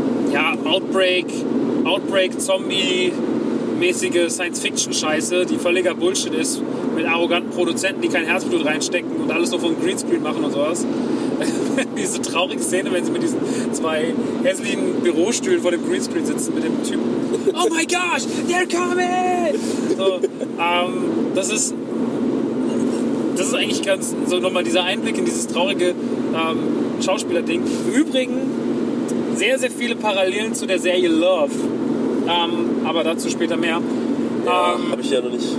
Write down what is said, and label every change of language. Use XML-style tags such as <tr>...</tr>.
<de>So eine Outbreak-Zombie-mäßige Science-Fiction-Scheiße, die völliger Bullshit ist, mit arroganten Produzenten, die kein Herzblut reinstecken und alles nur vom Greenscreen machen und sowas. Diese traurige Szene, wenn sie mit diesen zwei hässlichen Bürostühlen vor dem Greenscreen sitzen, mit dem Typen.</de> <en>Oh my gosh, they're coming!</en> <de>So, das ist eigentlich ganz so nochmal dieser Einblick in dieses traurige Schauspieler-Ding. Im Übrigen, sehr, sehr viele Parallelen zu der Serie Love. Aber dazu später mehr. Ja, habe ich ja noch nicht.</de>